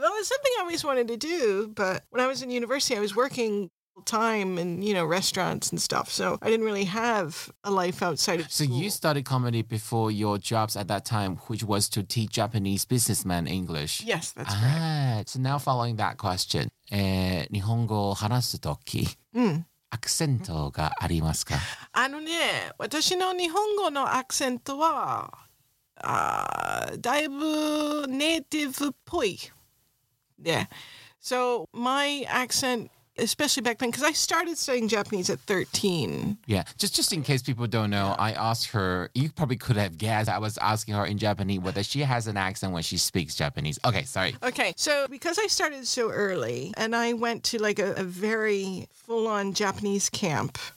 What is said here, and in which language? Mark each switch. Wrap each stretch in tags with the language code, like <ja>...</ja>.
<en>Well, it's something I always wanted to do. But when I was in university, I was working full-time in, you know, restaurants and stuff. So I didn't really have a life outside of school. So you studied comedy before your jobs at that time, which was to teach Japanese businessmen English. Yes, that's correct. So now following that question,</en> <ja>日本語 話す時。アクセントがありますか？あのね、私の日本語のアクセントは、だいぶネイティブっぽい。</ja> <en>Yeah. So my accent, especially back then, because I started studying Japanese at 13. Yeah. Just in case people don't know, I asked her, you probably could have guessed, I was asking her in Japanese whether she has an accent when she speaks Japanese. Okay, sorry. Okay, so because I started so early and I went to like a very full-on Japanese camp.</en>